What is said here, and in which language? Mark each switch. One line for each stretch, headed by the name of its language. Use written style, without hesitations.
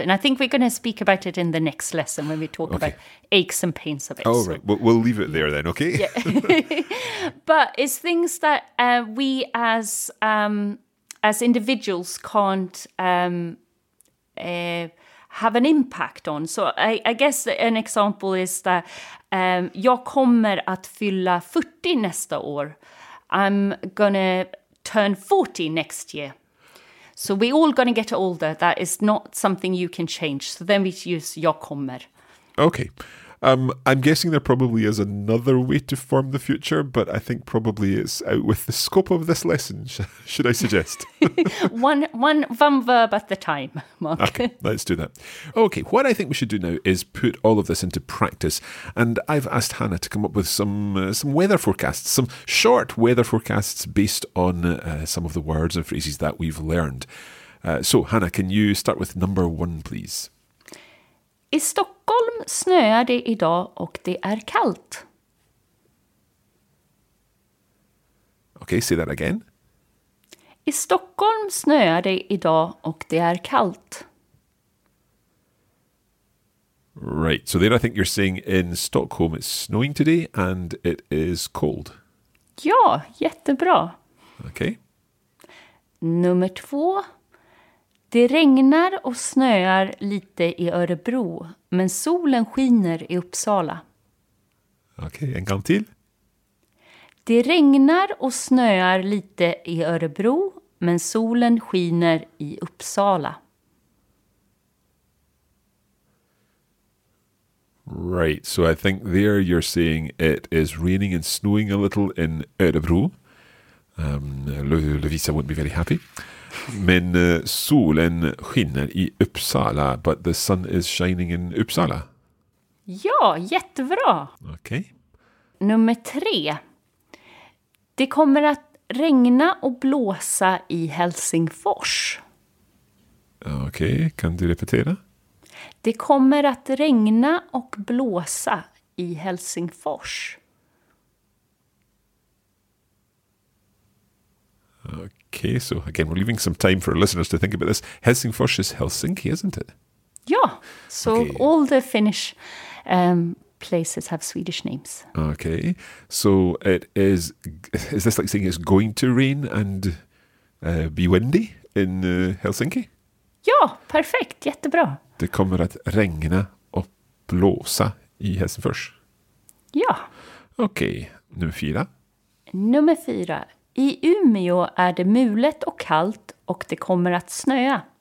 English: And I think we're going to speak about it in the next lesson when we talk about aches and pains of it. Oh, right, we'll leave it there then, okay? Yeah. But it's things that we as individuals can't... have an impact on. So I guess an example is that
Swedish: jag kommer att fylla 40 nästa år.
English: I'm gonna turn 40 next year. So we're all gonna get older. That is not something you can change. So then we use
Swedish: jag kommer.
English: Okay. I'm guessing there probably is another way to form the future, but I think probably it's out with the scope of this lesson, should I suggest? one verb at the time, Mark. Okay, let's do that. Okay, what I think we should do now is put all of this into practice. And I've asked Hannah to come up with some weather forecasts, some short weather forecasts based on some of the words and phrases that we've learned. So, Hannah, can you start with number one, please?
Swedish: I Stockholm snöar det idag och det är kallt.
English: Okay, say that again.
Swedish: I Stockholm snöar det idag och det är kallt.
English: Right, so there I think you're saying in Stockholm it's snowing today and it is cold.
Swedish: Ja, jättebra.
English: Okay.
Swedish: Nummer två. Det regnar och snöar lite i Örebro, men solen skiner i Uppsala. Okej, en gång till. Det regnar och snöar lite i Örebro, men solen skiner i Uppsala.
English: Right, so I think there you're saying it is raining and snowing a little in Örebro. Lovisa won't be very happy.
Swedish: Men solen skinner i Uppsala,
English: but the sun is shining in Uppsala.
Swedish: Ja, jättebra. Okej.
English: Okay.
Swedish: Nummer tre. Det kommer att regna och blåsa i Helsingfors. Okej, okay. Kan du repetera? Det kommer att regna och blåsa i Helsingfors.
English: Okay, so again, we're leaving some time for our listeners to think about this. Helsingfors is Helsinki, isn't it? Yeah, so okay. All the Finnish places have Swedish names. Okay, so it is. Is this like saying it's going to rain and be windy in Helsinki? Yeah, perfect,
Swedish: jättebra. Det kommer att regna och blåsa i Helsingfors. Ja.
English: Okay,
Swedish: nummer fyra. Nummer fyra. I Umeå är det mulet och kallt och det kommer att snöa.